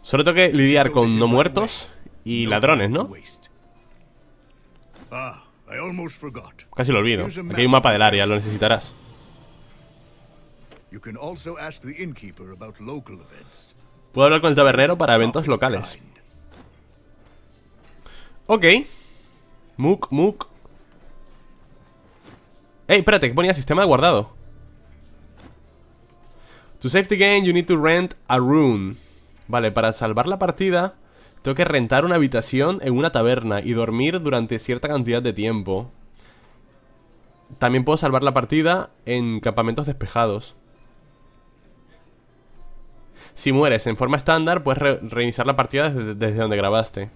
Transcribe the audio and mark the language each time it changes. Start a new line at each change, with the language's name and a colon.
Spanish: Solo tengo que lidiar con no muertos y ladrones, ¿no?
English: Ah, I almost forgot.
Spanish: Casi lo olvido. Aquí hay un mapa del área, lo necesitarás.
English: You can also ask the innkeeper about local events.
Spanish: Puedo hablar con el tabernero para eventos locales. Ok. Mook. Ey, espérate, ¿qué ponía? Sistema de guardado.
English: To save the game, you need to rent a room.
Spanish: Vale, para salvar la partida, tengo que rentar una habitación en una taberna y dormir durante cierta cantidad de tiempo. También puedo salvar la partida en campamentos despejados. Si mueres en forma estándar, puedes reiniciar la partida desde donde grabaste.